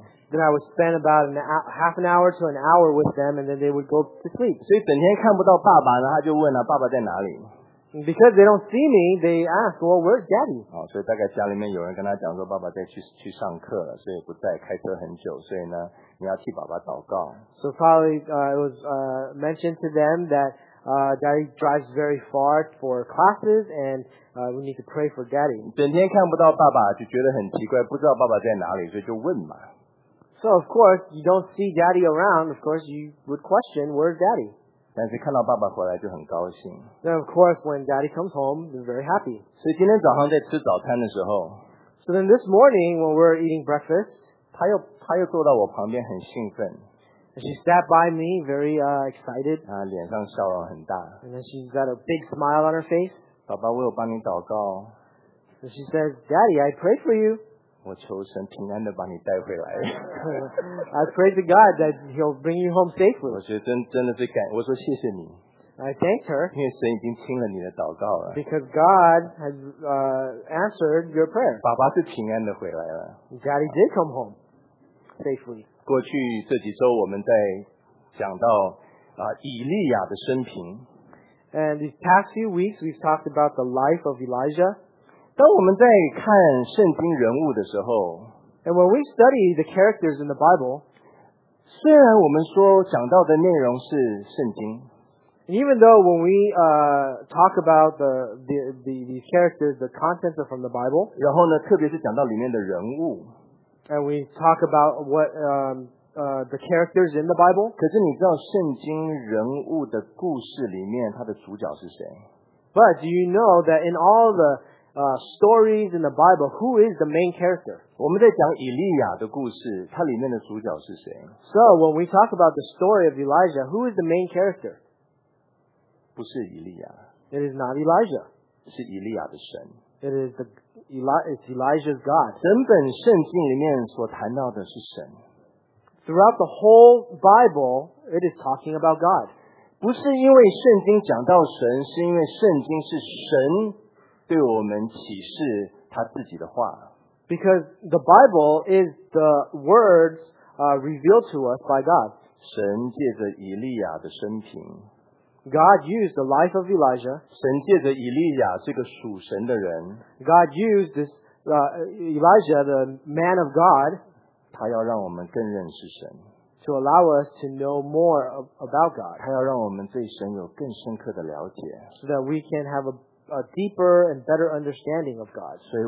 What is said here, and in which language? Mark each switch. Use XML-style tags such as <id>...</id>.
<en>Then I would spend about half an hour to an hour with them, and then they would go to sleep.</en> <zh>所以整天看不到爸爸呢, 他就问了, 爸爸在哪里?</zh> <en>Because they don't see me, they ask, well, where's Daddy?</en> <zh>哦, 所以大概家里面有人跟他讲说, 爸爸在去上课了, 所以不在开车很久, 所以呢,</zh> <en>so probably it was mentioned to them that Daddy drives very far for classes and we need to pray for Daddy.</en> <zh>整天看不到爸爸, 就觉得很奇怪, 不知道爸爸在哪里, 所以就问嘛。</zh> <en>So of course, you don't see Daddy around. Of course, you would question, where's Daddy?</en> <zh>但是看到爸爸回来就很高兴。</zh> <en>Then of course, when Daddy comes home, they're very happy.</en> <zh>所以今天早上在吃早餐的时候,</zh> <en>so then this morning, when we're eating breakfast,</en> <zh>他又坐到我旁边很兴奋,</zh> <en>and she sat by me very excited.</en> <zh>脸上笑容很大,</zh> <en>and then she's got a big smile on her face.</en> <zh>爸爸我有帮你祷告,</zh> <en>and she says, Daddy, I pray for you.</en> <zh>我求神平安地把你带回来,</zh> <en>I pray to God that he'll bring you home safely.</en> <zh>我觉得真的是感, 我说谢谢你,</zh> <en>I thanked her,</en> <zh>因为神已经听了你的祷告了,</zh> <en>because God has answered your prayer.</en> <zh>爸爸是平安地回来了,</zh> <en>Daddy did come home safely.</en> <zh>过去这几周我们在讲到, 以利亚的生平,</zh> <en>and these past few weeks we've talked about the life of Elijah.</en> <zh>当我们在看圣经人物的时候,</zh> <en>and when we study the characters in the Bible,</en> <zh>虽然我们说讲到的内容是圣经,</zh> <en>and even though when we talk about these characters, the contents are from the Bible,</en> <zh>然后呢, 特别是讲到里面的人物,</zh> <en>and we talk about what the characters in the Bible,</en> <zh>可是你知道圣经人物的故事里面它的主角是谁?</zh> <en>But do you know that in all the stories in the Bible, who is the main character?</en> <zh>我们在讲以利亚的故事, 它里面的主角是谁?</zh> <en>So when we talk about the story of Elijah, who is the main character?</en> <zh>不是以利亚,</zh> <en>it is not Elijah.</en> <zh>是以利亚的神,</zh> <en>it is the it's Elijah's God.</en> <zh>整本圣经里面所谈到的是神,</zh> <en>throughout the whole Bible, it is talking about God.</en> <zh>不是因为圣经讲到神, 是因为圣经是神对我们启示他自己的话。</zh> <en>Because the Bible is the words revealed to us by God.</en> <zh>神借着以利亚的生平,</zh> <en>God used the life of Elijah.</en> <zh>神借着以利亚这个属神的人,</zh> <en>God used this Elijah, the man of God,</en> <zh>他要让我们更认识神,</zh> <en>to allow us to know more about God.</en> <zh>他要让我们对神有更深刻的了解,</zh> <en>so that we can have a deeper and better understanding of God.</en>